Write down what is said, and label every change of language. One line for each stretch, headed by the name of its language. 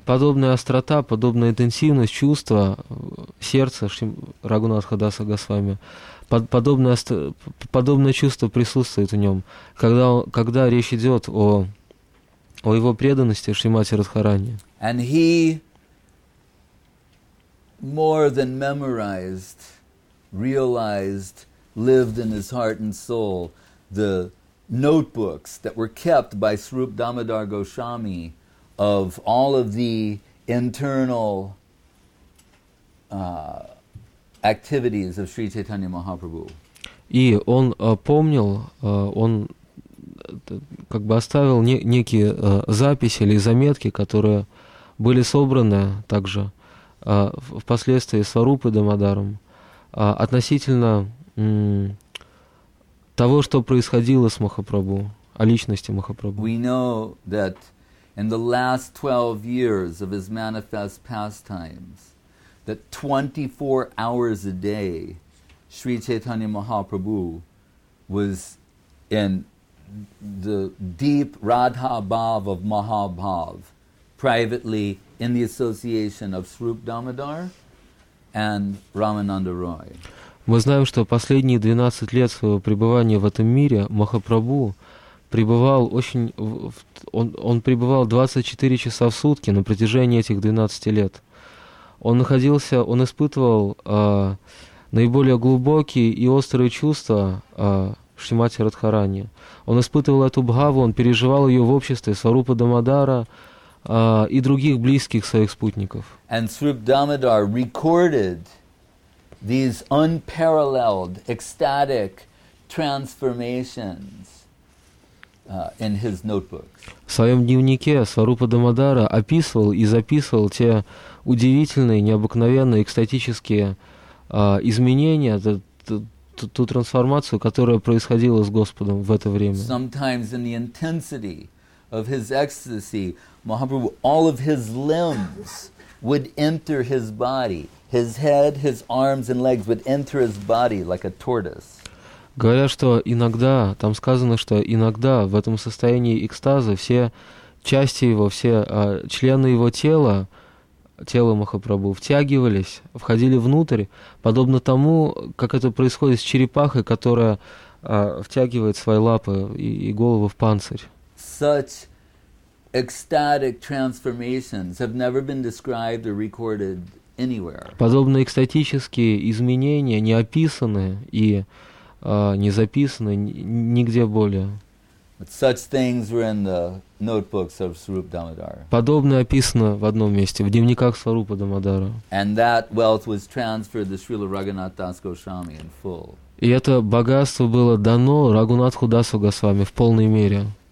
Russian: Подобная острота, подобная интенсивность чувства сердца Рагунатха Даса Госвами, подобное чувство присутствует в нем, когда речь идет о его преданности Шримати Радхарани.
English: And he more than memorized, realized, lived in his heart and soul the notebooks that were kept by Srup Damodar Goswami of all of the internal activities of Sri Chaitanya Mahaprabhu.
Russian: И он помнил, он как бы оставил некие записи или заметки, которые были собраны также впоследствии Сварупы Дамодаром относительно того, что происходило с Махапрабху, о личности Махапрабху.
English: We know that in the last 12 years of his manifest pastimes, that 24 hours a day, Sri Chaitanya Mahaprabhu was in the deep Radha Bhav of Mahabhav, privately in the association of Srup Damodar and Ramananda Roy.
Russian: Мы знаем, что последние 12 лет своего пребывания в этом мире Махапрабху пребывал 24 часа в сутки на протяжении этих 12 лет. Он испытывал наиболее глубокие и острые чувства Шримати Радхарани. Он испытывал эту бхаву, он переживал ее в обществе Сварупы Дамодара и других близких своих спутников.
English: And Srup Damodar recorded these unparalleled ecstatic transformations in his notebooks.
Russian: В своем дневнике Сварупа Дамодара описывал и записывал те удивительные, необыкновенные, экстатические изменения, ту трансформацию, которая происходила с Господом в это время.
English: Sometimes in the intensity of his ecstasy, Mahaprabhu, all of his limbs would enter his body. His head, his arms and legs would enter his body like a tortoise.
Russian: Говорят, что иногда, там сказано, что иногда в этом состоянии экстаза все части его, все члены его тела, тело Махапрабху, втягивались, входили внутрь, подобно тому, как это происходит с черепахой, которая втягивает свои лапы и голову в панцирь.
English: Such ecstatic transformations have never been described or recorded anywhere.
Russian: Подобные экстатические изменения не описаны и не записаны нигде более.
English: But such things were in the notebooks of Srup Damodara.
Russian: Подобное описано в одном месте, в дневниках Сварупы Дамодара.
English: And that wealth was transferred to Srila Raghunath Das Goswami in full.
Russian: И это богатство было дано Рагунатху Дасу Госвами в полной мере.